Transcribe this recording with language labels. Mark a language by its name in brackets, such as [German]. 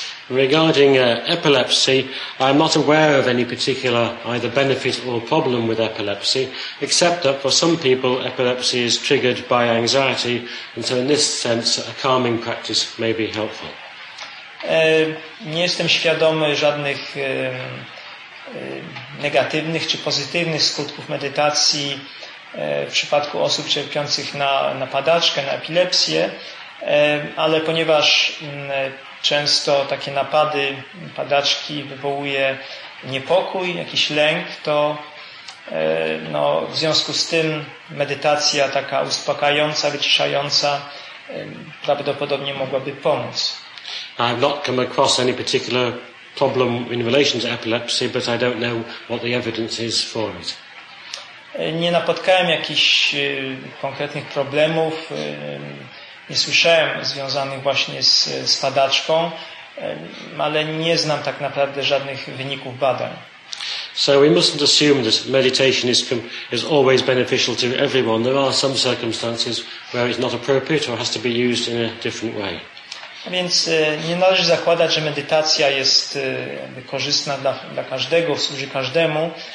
[English] Regarding epilepsy, I'm not aware of any particular either benefit or problem with epilepsy, except that for some people epilepsy is triggered by anxiety, and so in this sense a calming practice may be helpful. [Polish] Nie jestem świadomy żadnych negatywnych czy pozytywnych skutków medytacji w przypadku osób cierpiących na padaczkę, na epilepsję. Ale ponieważ często takie napady, padaczki wywołuje niepokój, jakiś lęk, to no, w związku z tym medytacja taka uspokajająca, wyciszająca prawdopodobnie mogłaby pomóc. [English] I've not come across any particular problem in relation to epilepsy, but I don't know what the evidence is for it. [Polish] Nie napotkałem jakichś konkretnych problemów, nie słyszałem związanych właśnie z padaczką, ale nie znam tak naprawdę żadnych wyników badań. [English] So we mustn't assume that meditation is always beneficial to everyone. There are some circumstances where it's not appropriate or has to be used in a different way. [Polish] Więc nie należy zakładać, że medytacja jest korzystna dla każdego, służy każdemu.